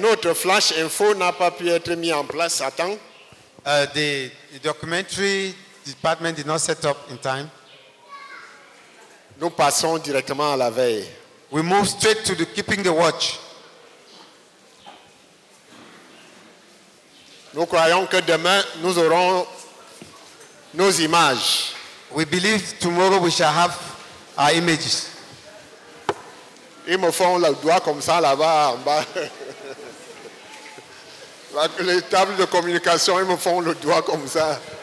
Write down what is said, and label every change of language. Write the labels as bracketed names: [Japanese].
[French] Notre flash info n'a pas pu être mis en place à temps. [English] The documentary department did not set up in time. [French] Nous passons directement à la veille. [English] We move straight to the keeping the watch. [French] Nous croyons que demain nous aurons nos images. [English] We believe tomorrow we shall have our images. [French] Ils me font le doigt comme ça là-bas en bas. Les tables de communication, ils me font le doigt comme ça.